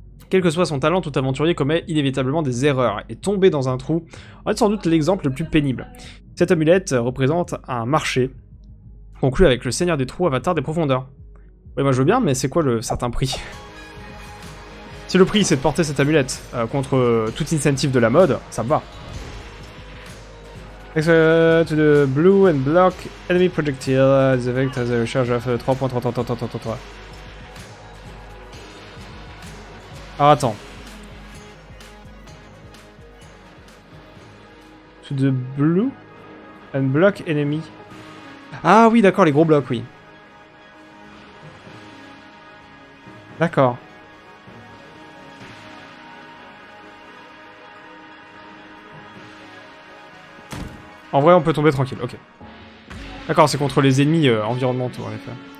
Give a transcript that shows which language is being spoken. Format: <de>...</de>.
<fr>Quel que soit son talent, tout aventurier commet inévitablement des erreurs, et tomber dans un trou en est sans doute l'exemple le plus pénible. Cette amulette représente un marché conclu avec le seigneur des trous, avatar des profondeurs. Oui, moi je veux bien, mais c'est quoi le certain prix? Si le prix c'est de porter cette amulette contre tout incentive de la mode, ça me va.</fr> <en>Thanks to the blue and black enemy projectile, the effect has a charge of 3.3.</en> <fr>Ah, attends.</fr> <en>To the blue and block enemy.</en> <fr>Ah oui, d'accord, les gros blocs, oui. D'accord. En vrai, on peut tomber tranquille, ok. D'accord, c'est contre les ennemis environnementaux, en effet.</fr>